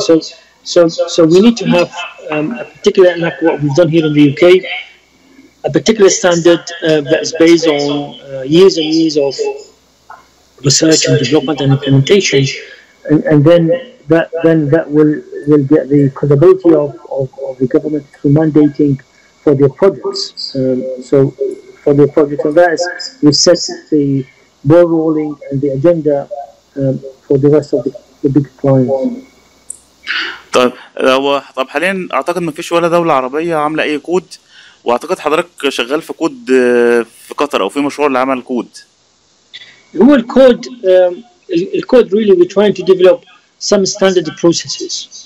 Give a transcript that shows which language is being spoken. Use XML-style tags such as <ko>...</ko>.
<en>So we need to have a particular, like what we've done here in the UK, a particular standard that is based on years and years of research and development and implementation, and then that will get the credibility of the government through mandating for their projects. So for their projects, and that is, we set the ball rolling and the agenda for the rest of the big clients.</en> <ar>طب حاليا اعتقد ما فيش ولا دوله عربيه عامله اي كود، واعتقد حضرتك شغال في كود في قطر او في مشروع لعمل كود. هو الكود الكود</ar> <en>really we're trying to develop some standard processes.</en>